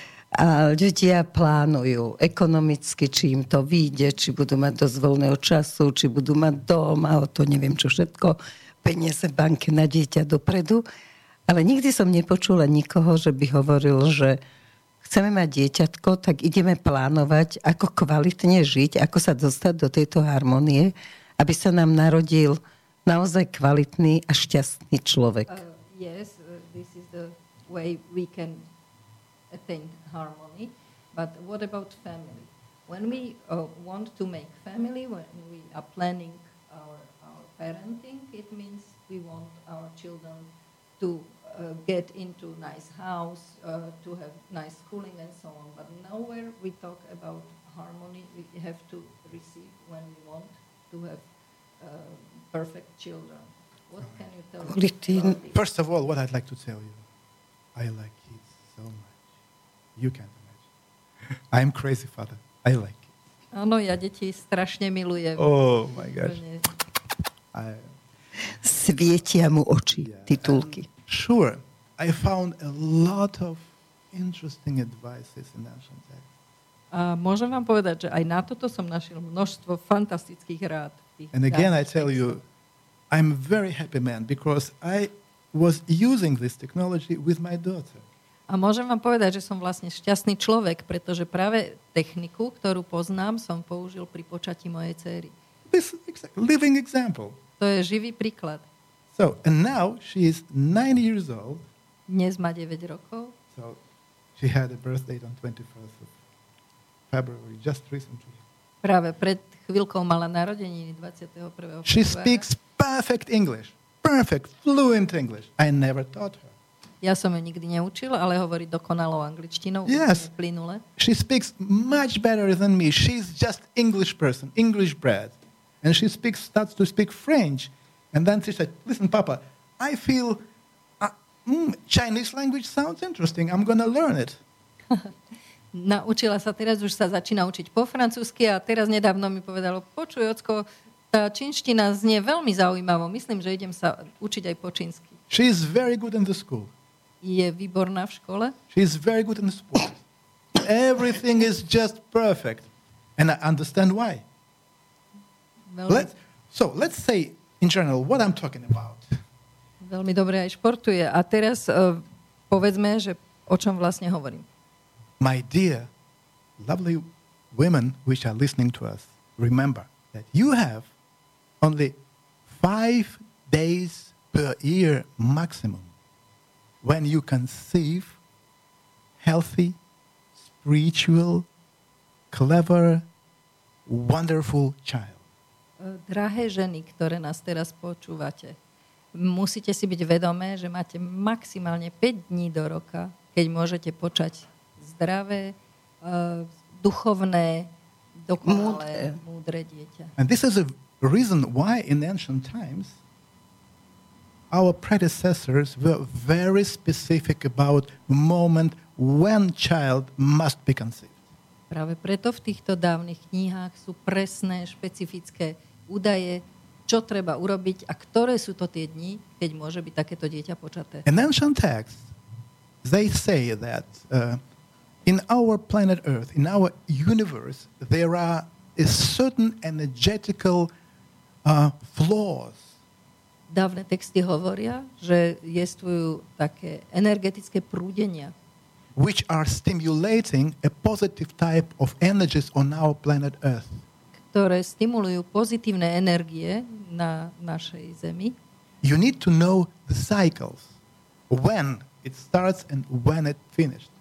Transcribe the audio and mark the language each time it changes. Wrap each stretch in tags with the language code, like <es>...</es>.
<sk>A ľudia plánujú ekonomicky, či im to vyjde, či budú mať dosť voľného času, či budú mať dom, a o to neviem čo všetko, peniaze v banke na dieťa dopredu. Ale nikdy som nepočula nikoho, že by hovoril, že chceme mať dieťatko, tak ideme plánovať, ako kvalitne žiť, ako sa dostať do tejto harmonie, aby sa nám narodil naozaj kvalitný a šťastný človek.</sk> <en>Yes, this is the way we can attain harmony. But what about family? When we want to make family, when we are planning our parenting, it means we want our children to get into nice house, to have nice schooling and so on. But nowhere we talk about harmony we have to receive when we want to have perfect children. What can you tell me? First of all, what I'd like to tell you, I like kids so much. You can't imagine. I am crazy father. I like it.</en> <sk>Áno, ja deti strašne milujem.</sk> <en>Oh my gosh.</en> <sk>Svietia mu oči, yeah, titulky.</sk> <en>Sure, I found a lot of interesting advices in ancient texts.</en> <sk>A môžem vám povedať, že aj na toto som našiel množstvo fantastických rád.</sk> <en>And again, I tell you, I'm a very happy man because I was using this technology with my daughter.</en> <sk>A môžem vám povedať, že som vlastne šťastný človek, pretože práve techniku, ktorú poznám, som použil pri počatí mojej dcery.</sk> <en>This living example.</en> <sk>To je živý príklad.</sk> <en>So, and now she is 9 years old.</en> <sk>Dnes má 9 rokov.</sk> <en>So, she had a birth date on 21st of February, just recently.</en> <sk>Práve pred chvíľkou mala narodeniny 21. februára.</sk> <en>She speaks perfect English. Perfect, fluent English. I never taught her.</en> <sk>Ja som ju nikdy neučil, ale hovorí dokonalou angličtinou.</sk> <en>Yes.</en> <sk>Plynule.</sk> <en>She speaks much better than me. She's just English person, English bred. And she speaks, starts to speak French. And then she said, listen, Papa, I feel Chinese language sounds interesting. I'm going to learn it.</en> <sk>Naučila sa teraz, už sa začína učiť po francúzsky a teraz nedávno mi povedalo, počuj, ocko, tá čínština znie veľmi zaujímavo. Myslím, že idem sa učiť aj po čínsky.</sk> <en>She is very good in the school.</en> <sk>Je výborná v škole.</sk> <en>She is very good in the sport. Everything is just perfect. And I understand why. Let's say in general what I'm talking about.</en> <sk>Veľmi dobre aj športuje. A teraz povedzme, že o čom vlastne hovorím.</sk> <en>My dear, lovely women which are listening to us, remember that you have only 5 days per year maximum when you conceive healthy, spiritual, clever, wonderful child.</en> <sk>Drahé ženy, ktoré nás teraz počúvate, musíte si byť vedomé, že máte maximálne 5 dní do roka, keď môžete počať zdravé, duchovné, dokonalé, múdre dieťa.</sk> <en>And this is a reason why in ancient times our predecessors were very specific about moment when child must be conceived.</en> <sk>Práve preto v týchto dávnych knihách sú presné, špecifické údaje, čo treba urobiť a ktoré sú to tie dni, keď môže byť takéto dieťa počaté.</sk> <en>In ancient texts, they say that In our planet Earth, in our universe, there are a certain energetical flaws.</en> <sk>Dávne texty hovoria, že existujú také energetické prúdenia,</sk> <en>which are stimulating a positive type of energies on our planet Earth.</en> <sk>Ktoré stimulujú pozitívne energie na našej Zemi.</sk> <en>You need to know the cycles, when it starts and when it finishes.</en>